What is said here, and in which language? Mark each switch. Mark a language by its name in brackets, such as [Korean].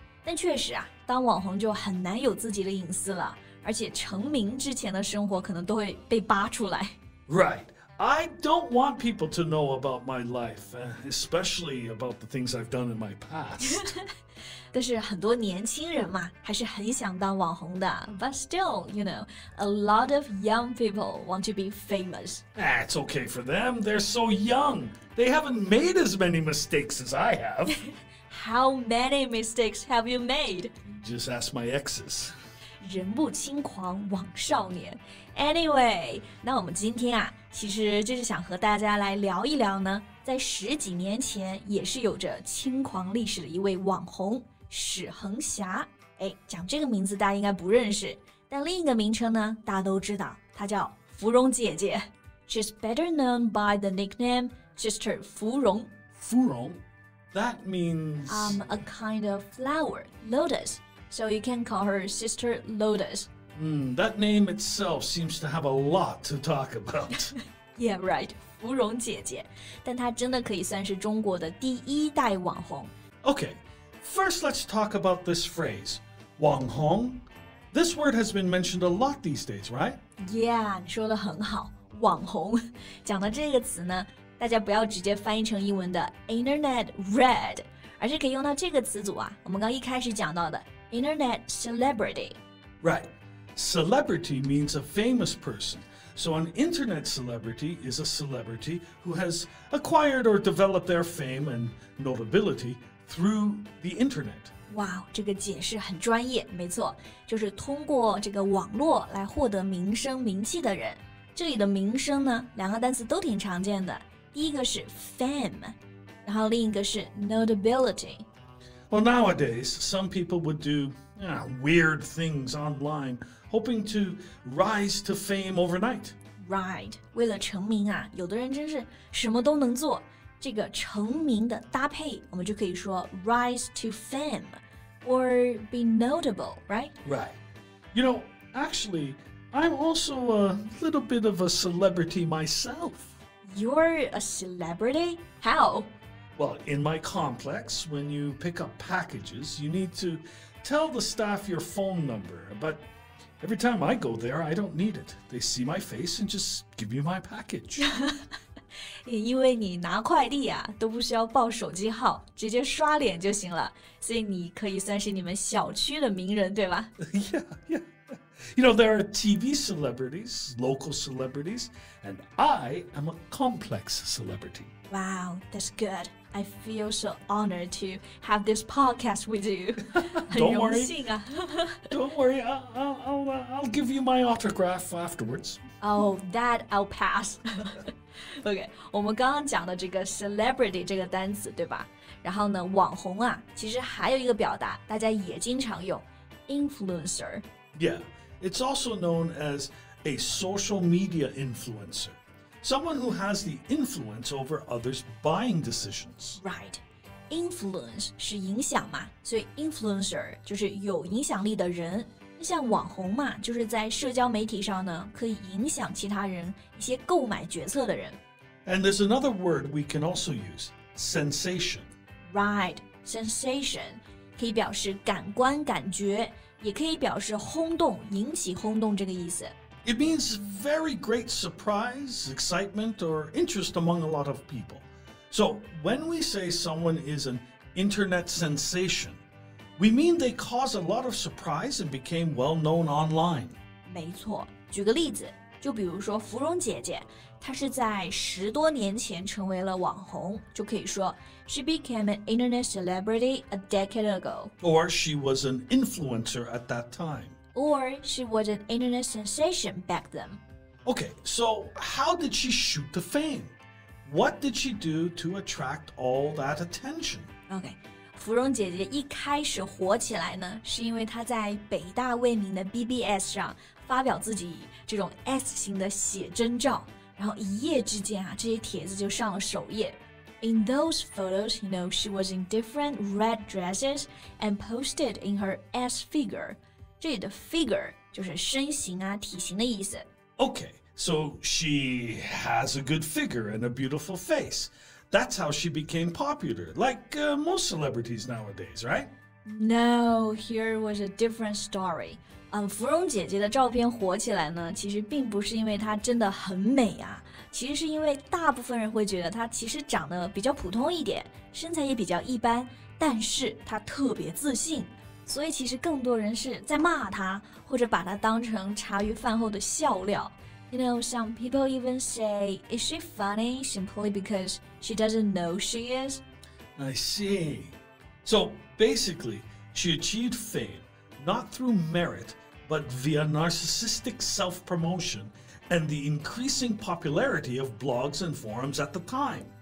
[Chinese] 但确实啊，当网红就很难有自己的隐私了，而且成名之前的生活可能都会被扒出来。 [English] Right, I don't want people to know about my life, especially about the things I've done in my past. [Chinese] 但是很多年轻人嘛，还是很想当网红的。 [English] But still, you know, a lot of young people want to be famous. It's okay for them. They're so young. They haven't made as many mistakes as I have. How many mistakes have you made? Just ask my exes. [Chinese] 人不轻狂枉少年。 [English] Anyway, [Chinese] 那我们今天啊，其实就是想和大家来聊一聊呢，在十几年前也是有着轻狂历史的一位网红。史恒霞，哎，讲这个名字大家应该不认识，但另一个名称呢，大家都知道，她叫芙蓉姐姐。 [English] She's better known by the nickname Sister 芙蓉。芙蓉 ，That means a kind of flower, lotus. So you can call her Sister Lotus. That name itself seems to have a lot to talk about. Yeah, right. [Chinese] 芙蓉姐姐，但她真的可以算是中国的第一代网红。 [English] Okay. First, let's talk about this phrase, 网红. This word has been mentioned a lot these days, right? Yeah, [Chinese] 你说得很好，网红。讲到这个词呢，大家不要直接翻译成英文的 Internet Red, 而是可以用到这个词组啊，我们刚一开始讲到的 Internet Celebrity. [English] Right, celebrity means a famous person. So an Internet celebrity is a celebrity who has acquired or developed their fame and notabilityThrough the internet. Wow, [Chinese] 这个解释很专业，没错，就是通过这个网络来获得名声名气的人。这里的名声呢，两个单词都挺常见的。第一个是 fame, 然后另一个是 notability. [English] Well, nowadays, some people would do weird things online, hoping to rise to fame overnight. Right, [Chinese] 为了成名啊，有的人真是什么都能做。这个成名的搭配我们就可以说 [English] rise to fame or be notable, right? Right. You know, actually, I'm also a little bit of a celebrity myself. You're a celebrity? How? Well, in my complex, when you pick up packages, you need to tell the staff your phone number. But every time I go there, I don't need it. They see my face and just give you my package. [Chinese] 因为你拿快递啊，都不需要报手机号，直接刷脸就行了，所以你可以算是你们小区的名人，对吧？ [English] Yeah, yeah. You know, there are TV celebrities, local celebrities, and I am a complex celebrity. Wow, that's good. I feel so honored to have this podcast with you. Don't worry. Don't worry. I'll give you my autograph afterwards. Oh, that I'll pass. OK, [Chinese] 我们刚刚讲的这个 celebrity 这个单词对吧，然后呢网红啊，其实还有一个表达大家也经常用， influencer. [English] Yeah, it's also known as a social media influencer. Someone who has the influence over others buying decisions. Right, [Chinese] influence 是影响嘛，所以 influencer 就是有影响力的人。像网红嘛，就是在社交媒体上呢，可以影响其他人一些购买决策的人。 [English] And there's another word we can also use, sensation. Right, [Chinese] sensation 可以表示感官感觉，也可以表示轰动，引起轰动这个意思。 [English] It means very great surprise, excitement, or interest among a lot of people. So when we say someone is an internet sensation,We mean they caused a lot of surprise and became well-known online. [Chinese] 没错，举个例子，就比如说芙蓉姐姐，她是在十多年前成为了网红，就可以说 [English] she became an internet celebrity a decade ago. Or she was an influencer at that time. Or she was an internet sensation back then. Okay, so how did she shoot the fame? What did she do to attract all that attention? Okay. [Chinese] 芙蓉姐姐一开始火起来呢，是因为她在北大未名的 BBS 上发表自己这种 S 型的写真照，然后一夜之间啊，这些帖子就上了首页。 [English] In those photos, you know, she was in different red dresses and posted in her S figure. [Chinese] 这里的 figure 就是身形啊，体型的意思。 [English] Okay, so she has a good figure and a beautiful face. That's how she became popular, like most celebrities nowadays, right? No, here was a different story. [Chinese] 芙蓉姐姐的照片火起来呢，其实并不是因为她真的很美啊。其实是因为大部分人会觉得她其实长得比较普通一点，身材也比较一般，但是她特别自信，所以其实更多人是在骂她，或者把她当成茶余饭后的笑料。 [English] You know, some people even say, is she funny simply because she doesn't know she is? I see. So basically, she achieved fame not through merit, but via narcissistic self-promotionand the increasing popularity of blogs and forums at the time.